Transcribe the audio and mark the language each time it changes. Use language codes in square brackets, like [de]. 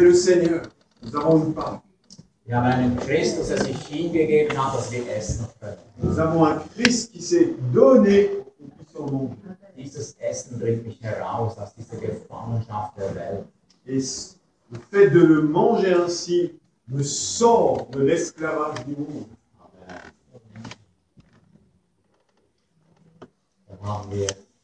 [fr] le Seigneur, nous avons une part. [de] Wir haben einen Christus, der sich hingegeben hat, dass wir essen können. [fr] Nous avons un Christ qui s'est donné pour que nous puissions manger. [de] Dieses Essen bringt mich heraus aus dieser Gefangenschaft der Welt. [fr] Et le fait de le manger ainsi me sort de l'esclavage du monde.